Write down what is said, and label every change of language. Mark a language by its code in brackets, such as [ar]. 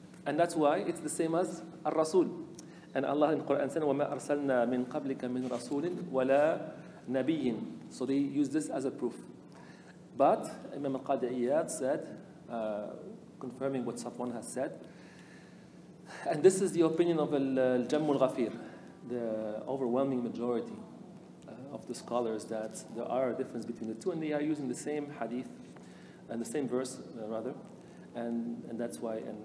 [en] And that's why it's the same as Ar-Rasul. And Allah in Quran said, [ar] وَمَا أَرْسَلْنَا مِنْ قَبْلِكَ مِنْ رَسُولٍ وَلَا نَبِيٍ. [en] So they use this as a proof. But Imam Al-Qadi'iyat said, confirming what Safwan has said, and this is the opinion of Al-Jamm Al-Ghafir, the overwhelming majority of the scholars, that there are a difference between the two, and they are using the same hadith and the same verse rather, and that's why.